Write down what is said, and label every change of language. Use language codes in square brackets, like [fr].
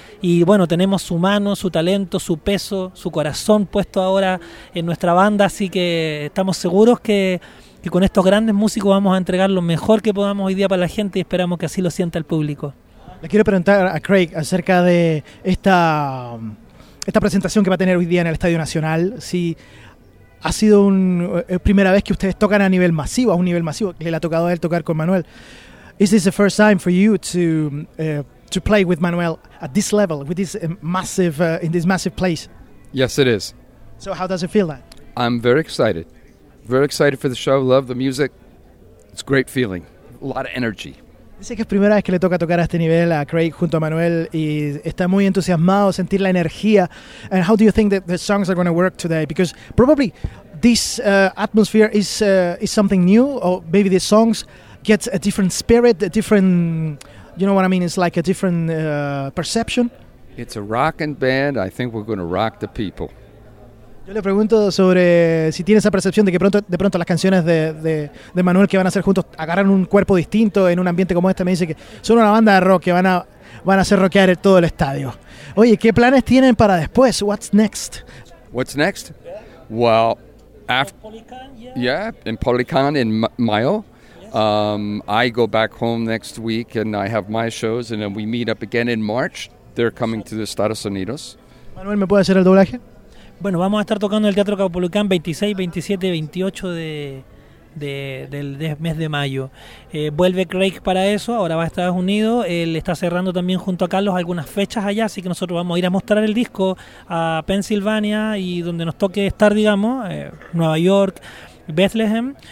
[es] Y bueno, tenemos su mano, su talento, su peso, su corazón puesto ahora en nuestra banda, así que estamos seguros que con estos grandes músicos vamos a entregar lo mejor que podamos hoy día para la gente y esperamos que así lo sienta el público. Le quiero preguntar a Craig acerca de esta presentación que va a tener hoy día en el Estadio Nacional. Si ha sido primera vez que ustedes tocan a nivel masivo, a un nivel masivo, que le ha tocado a él tocar con Manuel. [en] Is this the first time for you to play with Manuel at this level, with this massive in this massive place? Yes, it is. So how does it feel like? I'm very excited. Very excited for the show. Love the music. It's a great feeling. A lot of energy. [es] Dice que es primera vez que le toca tocar a este nivel a Craig junto a Manuel y está muy entusiasmado, sentir la energía. [en] And how do you think that the songs are going to work today? Because probably this atmosphere is something new, or maybe the songs get a different spirit, a different, you know what I mean? It's like a different perception. It's a rocking band. I think we're going to rock the people. [es] Yo le pregunto sobre si tiene esa percepción de que de pronto las canciones de Manuel que van a hacer juntos agarran un cuerpo distinto en un ambiente como este. Me dice que son una banda de rock que van a hacer rockear todo el estadio. Oye, ¿qué planes tienen para después? [en] What's next? What's next? Yeah. Well, after Policán, yeah. Yeah, in Policán in Mayo. Yes. I go back home next week and I have my shows and then we meet up again in March. They're coming to the Estados Unidos. [es] Manuel, ¿me puede hacer el doblaje? Bueno, vamos a estar tocando en el Teatro Caupolicán 26, 27, 28 del mes de mayo. Vuelve Craig para eso, ahora va a Estados Unidos. Él está cerrando también junto a Carlos algunas fechas allá, así que nosotros vamos a ir a mostrar el disco a Pensilvania y donde nos toque estar, digamos, Nueva York, Bethlehem.